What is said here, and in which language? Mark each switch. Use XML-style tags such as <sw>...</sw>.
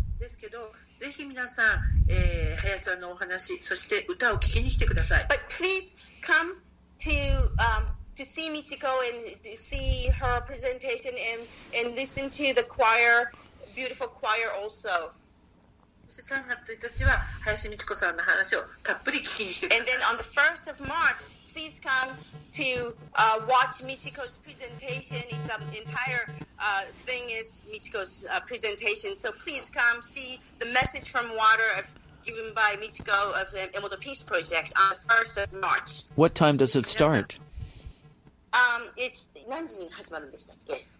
<ja>ですけど、ぜひ皆さん、林さんのお話、そして歌を聞きに来てください。</ja> <en>But please come to see Michiko and to see her presentation and listen to the choir, beautiful choir also.</en> <ja>そして3月1日は林美智子さんの話をたっぷり聞きに来てください。</ja> <en>And then on the 1st of March, please come. To watch Michiko's presentation. It's an entire thing is Michiko's presentation. So please come see the message from water of, given by Michiko of the Emerald Peace Project on the 1st of March. What time does it start? It's</en> <ja>何時に始まるんでしたっけ?</ja>